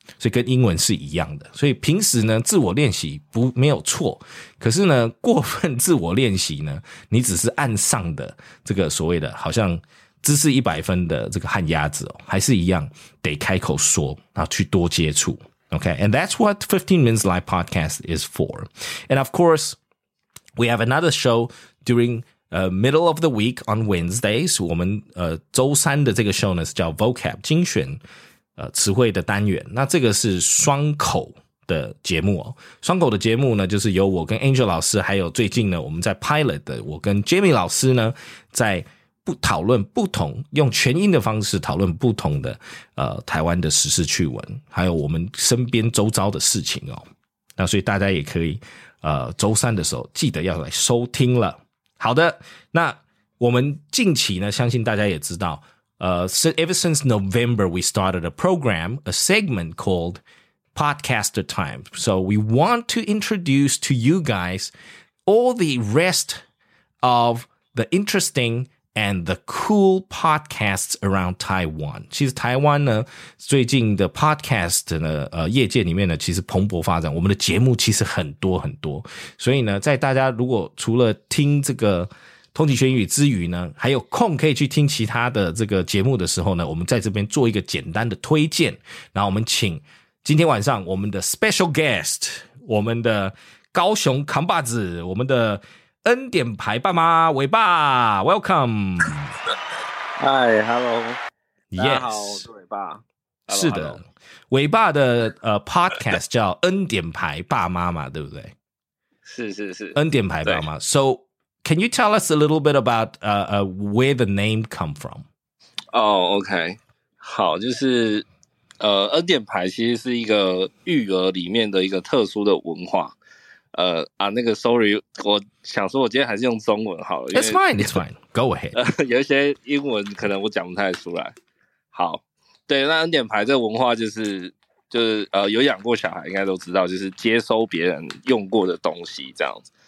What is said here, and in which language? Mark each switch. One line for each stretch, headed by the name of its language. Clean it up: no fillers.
Chinese: 所以跟英文是一样的，所以平时呢自我练习不没有错，可是呢过分自我练习呢你只是岸上的这个所谓的好像姿势100分的这个旱鸭子哦，还是一样得开口说然后去多接触。
English: OK, and that's what 15 Minutes Live Podcast is for. And of course,We have another show during middle of the week on Wednesdays.
Chinese: 我们周三的这个 show 呢是叫 Vocab 精选词汇的单元。那这个是双口的节目哦。双口的节目呢，就是由我跟 Angel 老师，还有最近呢我们在 Pilot 的我跟 Jamie 老师呢，在不讨论不同用全音的方式讨论不同的台湾的时事趣闻，还有我们身边周遭的事情哦。那所以大家也可以。周三的时候记得要来收听了。好的，那我们近期呢相信大家也知道
English: ever since November we started a program, a segment called Podcaster Time. So we want to introduce to you guys all the rest of the interesting and the cool podcasts around Taiwan.
Chinese: 其实台湾呢最近的 podcast 呢业界里面呢其实蓬勃发展，我们的节目其实很多很多。所以呢在大家如果除了听这个通勤学英语之余呢还有空可以去听其他的这个节目的时候呢，我们在这边做一个简单的推荐。然后我们请今天晚上我们的
English: special guest,
Chinese: 我们的高雄扛把子，我们的恩典牌爸妈伟爸 ，
English: Welcome！嗨 ，Hello，
Chinese: 大家好，我是伟爸。是的，伟爸的podcast 叫恩典牌爸妈嘛，对不对？是是是，恩典牌爸妈。
English: So can you tell us a little bit about where the name come from？
Chinese: 哦、，OK， 好，就是恩典牌其实是一个育儿里面的一个特殊的文化。那个 sorry， 我想说我今天还是用中文好了。
English: It's fine, it's fine. Go ahead.
Chinese: 有一些英文可能我讲不太出来。好，对，那恩典牌这个文化就是有养过小孩应该都知道，就是接收别人用过的东西这样子。